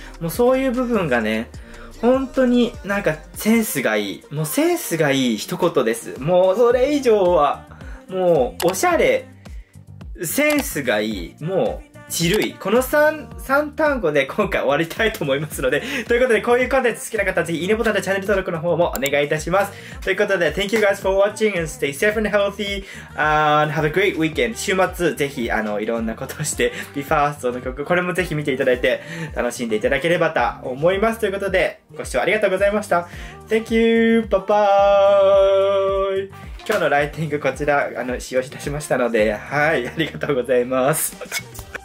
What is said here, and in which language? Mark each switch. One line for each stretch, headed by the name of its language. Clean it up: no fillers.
Japanese: もうそういう部分がね本当になんかセンスがいい、もうセンスがいい一言です。もうそれ以上はもうおしゃれ、センスがいい、もうチルイ、この3単語で今回終わりたいと思いますので、ということでこういうコンテンツ好きな方はぜひいいねボタンとチャンネル登録の方もお願いいたします。ということで
English: Thank you guys for watching and stay safe and healthy and have a great weekend。
Japanese: 週末ぜひあのいろんなことをして BE:FIRST の曲これもぜひ見ていただいて楽しんでいただければと思います。ということでご視聴ありがとうございました。
English: Thank you! Bye bye!
Japanese: 今日のライティングこちらあの使用いたしましたので、はい、ありがとうございます。